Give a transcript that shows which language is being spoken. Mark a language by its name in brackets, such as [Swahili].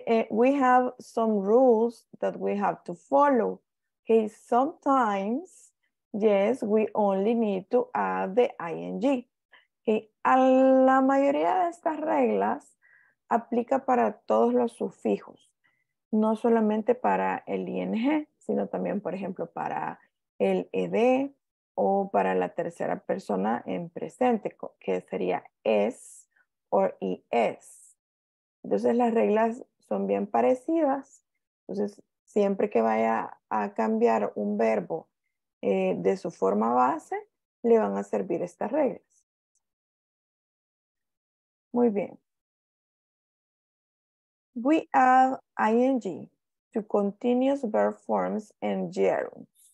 [English] We have some rules that we have to follow. Okay, sometimes, yes, we only need to add the ing. [Spanish] Okay, a la mayoría de estas reglas aplica para todos los sufijos, no solamente para el ing, sino también, por ejemplo, para el ed o para la tercera persona en presente, que sería es o is. Entonces, las reglas son bien parecidas. Entonces, siempre que vaya a cambiar un verbo de su forma base, le van a servir estas reglas. Muy bien. [English] We add ing to continuous verb forms and gerunds.